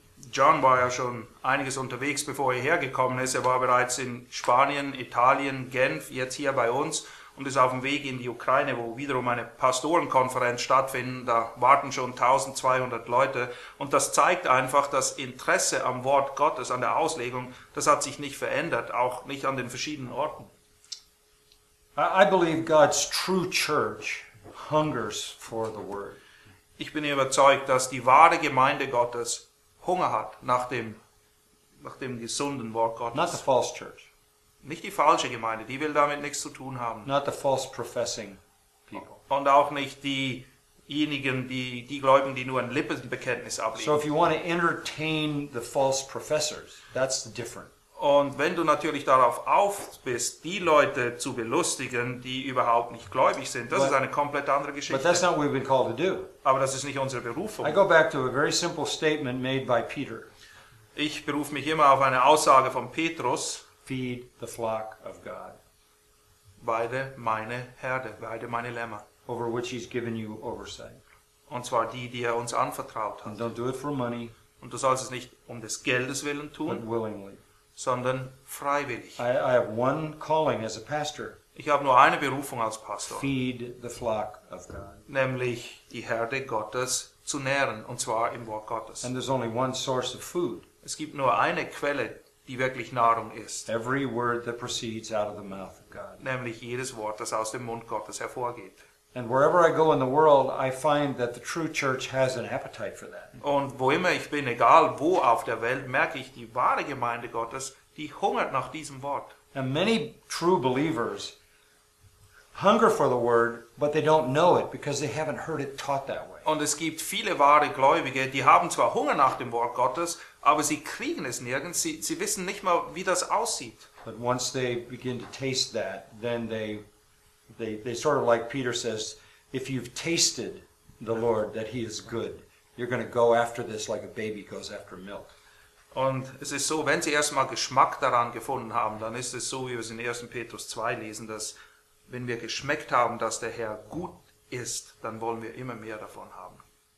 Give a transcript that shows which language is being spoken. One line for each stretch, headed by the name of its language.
German: John war ja schon einiges unterwegs, bevor er hergekommen ist. Er war bereits in Spanien, Italien, Genf, jetzt hier bei uns. Und ist auf dem Weg in die Ukraine, wo wiederum eine Pastorenkonferenz stattfindet. Da warten schon 1,200 Leute. Und das zeigt einfach, das Interesse am Wort Gottes, an der Auslegung, das hat sich nicht verändert, auch nicht an den verschiedenen Orten.
English: I believe God's true church hungers for the word.
German: Ich bin überzeugt, dass die wahre Gemeinde Gottes Hunger hat nach dem gesunden Wort Gottes.
English: Not the false church.
German: Nicht die falsche Gemeinde, die will damit nichts zu tun haben.
English: Not the false professing people.
German: Und auch nicht die diejenigen, die Gläubigen, die nur ein Lippenbekenntnis ablegen.
English: So if you want to entertain the false professors, that's the difference.
German: Und wenn du natürlich darauf auf bist, die Leute zu belustigen, die überhaupt nicht gläubig sind, das ist eine komplett andere Geschichte.
English: But that's not what we've been called to do.
German: Aber das ist nicht unsere Berufung.
English: I go back to a very simple statement made by Peter.
German: Ich berufe mich immer auf eine Aussage von Petrus.
English: Feed the flock of God.
German: Weide meine Herde, weide meine Lämmer.
English: Over which he's given you oversight.
German: Und zwar die er uns anvertraut hat.
English: And don't do it for money.
German: Und du sollst es nicht um des Geldes willen tun.
English: But willingly.
German: Sondern freiwillig.
English: I have one calling as a pastor.
German: Ich habe nur eine Berufung als Pastor.
English: Feed the flock of God.
German: Nämlich die Herde Gottes zu nähren, und zwar im Wort Gottes.
English: And there's only one source of food.
German: Es gibt nur eine Quelle, die wirklich Nahrung ist.
English: Every word that proceeds out of the mouth of God.
German: Nämlich jedes Wort, das aus dem Mund Gottes hervorgeht.
English: And wherever I go in the world, I find that the true church has an appetite for that.
German: Und wo immer ich bin, egal wo auf der Welt, merke ich, die wahre Gemeinde Gottes, die hungert nach diesem Wort.
English: And many true believers hunger for the word, but they don't know it because they haven't heard it taught that way.
German: Und es gibt viele wahre Gläubige, die haben zwar Hunger nach dem Wort Gottes, aber sie kriegen es nirgends, sie wissen nicht mal, wie das aussieht.
English: But once they begin to taste that, then they sort of like Peter says, if you've tasted the Lord, that he is good, you're going to go after this like a baby goes after milk.
German: Und es ist so, wenn sie erstmal Geschmack daran gefunden haben, dann ist es so, wie wir es in 1. Petrus 2 lesen, dass wenn wir geschmeckt haben, dass der Herr gut ist, dann wollen wir immer mehr davon haben.